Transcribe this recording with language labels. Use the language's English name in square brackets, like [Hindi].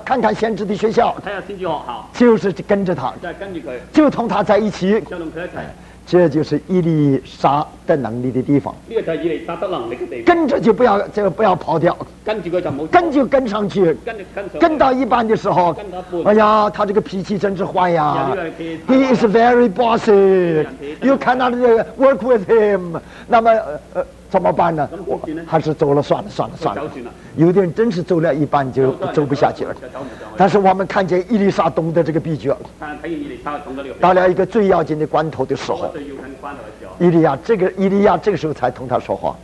[Chinese] 看看先知的学校，就是跟着他，就同他在一起，这就是伊丽莎的能力的地方。这个就是伊丽莎的能力的地方。跟着就不要跑掉。跟着就冇。跟就跟上去。跟着跟上。跟到一半的时候，哎呀，他这个脾气真是坏呀、这个。 [English] He is very bossy. You cannot work with him. [Chinese] 那么怎么办呢？我还是走了算了算了算了。走算了。有的人真是走了一半就走不下去了。但是我们看见伊丽莎懂得这个秘诀。到了一个最要紧的关头的时候，伊利亚这个时候才同他说话。